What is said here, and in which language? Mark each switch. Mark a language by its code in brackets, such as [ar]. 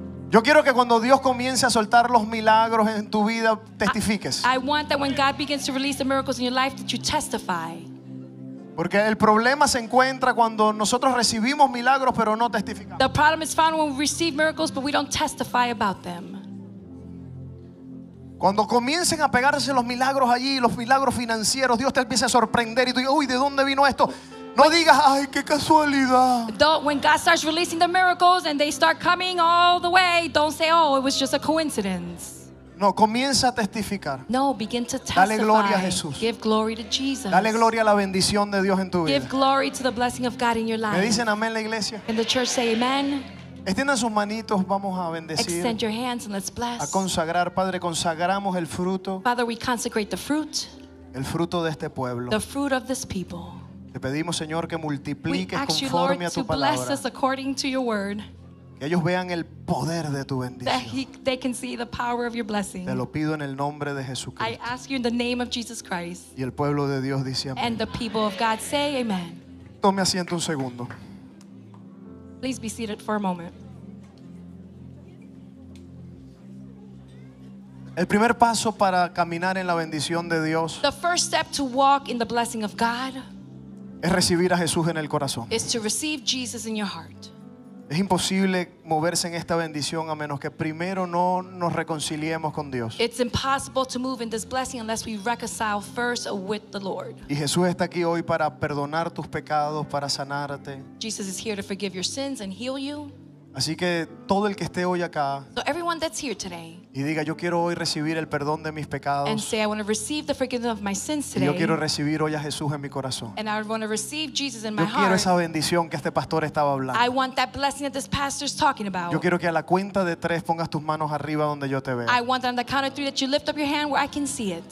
[es] Yo quiero que cuando Dios comience a soltar los milagros en tu vida, testifiques. [en] I want that when God begins to release the miracles in your life, that you testify. [es] Porque el problema se encuentra cuando nosotros recibimos milagros pero no testificamos. [en] The problem is found when we receive miracles but we don't testify about them. [es] Cuando comiencen a pegarse los milagros allí, los milagros financieros, Dios te empieza a sorprender y tú dices, uy, ¿de dónde vino esto? No digas, ay, qué casualidad. [en] When God starts releasing the miracles and they start coming all the way, don't say, oh, it was just a coincidence. [es] No, comienza a testificar. [en] No, begin to testify. [es] Dale gloria a Jesús. [en] Give glory to Jesus. [es] Dale gloria a la bendición de Dios en tu vida. [en] Give glory to the blessing of God in your life. [es] ¿Me dicen amén la iglesia? [en] And the church say amen. [es] Extiendan sus manitos, vamos a bendecir. [en] Extend your hands and let's bless. [es] A consagrar, Padre, consagramos el fruto. [en] Father, we consecrate the fruit. [es] El fruto de este pueblo. [en] The fruit of this people. [es] Te pedimos, Señor, que multipliques conforme a tu palabra. [en] We ask you, Lord, to bless us according to your word. [es] Que ellos vean el poder de tu bendición. [en] They can see the power of your blessing. [es] Te lo pido en el nombre de Jesucristo. [en] I ask you in the name of Jesus Christ. [es] Y el pueblo de Dios dice amén. [en] And the people of God say amen. [es] Tome asiento un segundo. [en] Please be seated for a moment. [es] El primer paso para caminar en la bendición de Dios. [en] The first step to walk in the blessing of God. [es] Es recibir a Jesús en el corazón. [en] Is to receive Jesus in your heart. [es] Es imposible moverse en esta bendición a menos que primero no nos reconciliemos con Dios. [en] It's impossible to move in this blessing unless we reconcile first with the Lord. [es] Y Jesús está aquí hoy para perdonar tus pecados, para sanarte. [en] Jesus is here to forgive your sins and heal you. [es] Así que todo el que esté hoy acá. [en] So everyone that's here today. [es] Y diga, yo quiero hoy recibir el perdón de mis pecados. [en] And say, I want to receive the forgiveness of my sins today. [es] Y yo quiero recibir hoy a Jesús en mi corazón. [en] And I want to receive Jesus in [es] yo [en] my heart. [es] Yo quiero esa bendición que este pastor estaba hablando. [en] I want that blessing that this pastor is talking about. [es] Yo quiero que a la cuenta de tres pongas tus manos arriba donde yo te vea. [en] I want that on the count of three that you lift up your hand where I can see it.